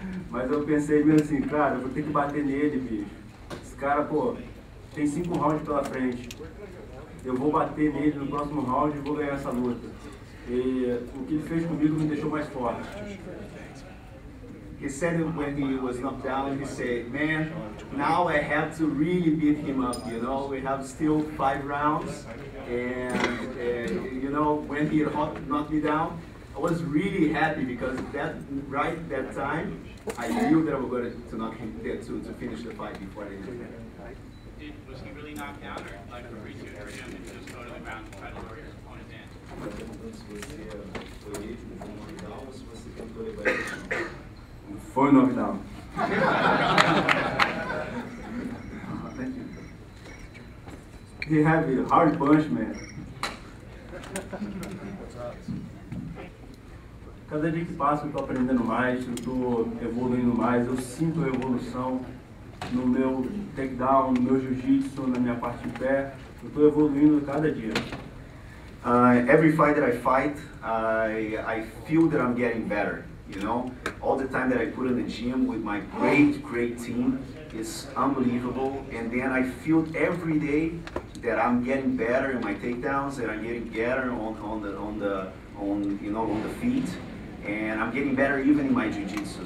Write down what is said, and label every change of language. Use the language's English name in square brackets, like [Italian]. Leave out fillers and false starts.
[Portuguese] Mas eu pensei mesmo assim, cara, eu vou ter que bater nele, bicho. Esse cara, pô, tem 5 rounds pela frente. Eu vou bater nele no próximo round e vou ganhar essa luta. E o que ele fez comigo me deixou mais forte. [English] He said when he was knocked down, he said, man, now I have to really beat him up, you know? We have still 5 rounds, and you know, when he knocked me down, I was really happy because that time, I knew that I was going to knock him there to finish the fight before the end. Was he really knocked down, or like reaching for him and just go to the ground and try to lower his opponent's hand? [Portuguese] Foi o knockdown. [English] He had a hard punch, man. [Portuguese] Cada dia que passa eu tô aprendendo mais, eu tô evoluindo mais, eu sinto a evolução no meu takedown, no meu jiu-jitsu, na minha parte de pé. Eu tô evoluindo cada dia. [English] Every fight that I fight, I feel that I'm getting better. You know, all the time that I put in the gym with my great, great team is unbelievable. And then I feel every day that I'm getting better in my takedowns, and I'm getting better on the feet, and I'm getting better even in my jiu-jitsu.